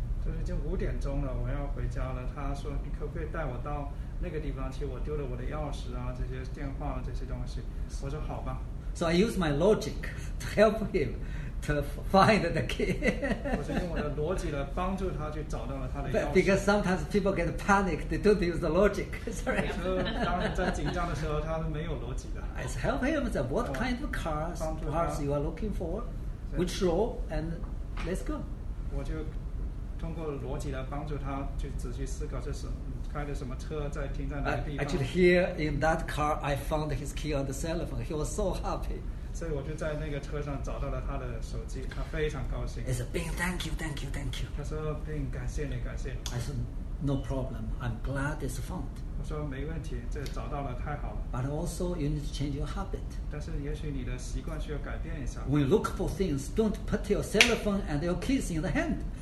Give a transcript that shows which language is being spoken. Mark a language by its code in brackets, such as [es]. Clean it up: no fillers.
[zh] 就是已经五点钟了，我要回家了。他说，你可不可以带我到那个地方去？我丢了我的钥匙啊，这些电话这些东西。我说好吧。 [en] So I use my logic to help him to find the key. [zh] 我用我的逻辑来帮助他去找到了他的钥匙。 [en] Because sometimes people get panic, they don't use the logic. Sorry. [zh] 有时候当人在紧张的时候，他是没有逻辑的。 [en] I help him with what kind of cars you are looking for, which row, and let's go. [zh] 我就通过逻辑来帮助他去仔细思考这是开的什么车，在停在哪地方。 [en] Actually, here in that car, I found his key on the cell phone. He was so happy. [zh] 所以我就在那个车上找到了他的手机，他非常高兴。 [en] He said, "Bing, thank you, thank you, thank you." [zh] 他说 ，Bing, 感谢你，感谢你。 [en] I said, "No problem. I'm glad it's found." [zh] 我说没问题，这找到了太好了。 [en] But also, you need to change your habit. [zh] 但是也许你的习惯需要改变一下。 [en] When you look for things, don't put your cell phone and your keys in the hand.